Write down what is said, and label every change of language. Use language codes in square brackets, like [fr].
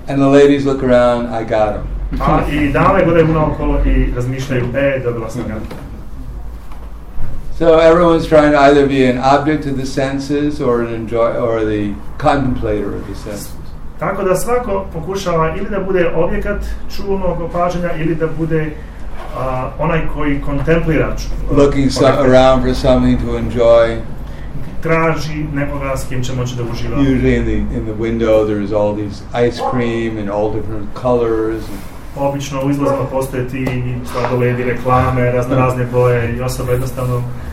[en] And the ladies look around, I got him. [bs] A i dame gledaju unaokolo i razmišljaju, dobila sam ga. [en] So everyone's trying to either be an object of the senses or an or the contemplator of the senses. [bs] Tako da svako pokušava ili da bude objekat čulnog opažanja ili da bude onaj koji kontemplira [en] looking around for something to enjoy, [bs] traži nekoga s kim će moći da uživa. [en] Usually in the window there is all these ice cream and all different colors. [bs] Obično u izlazima postoje ti sladoledi, reklame, razne boje i osoba jednostavno.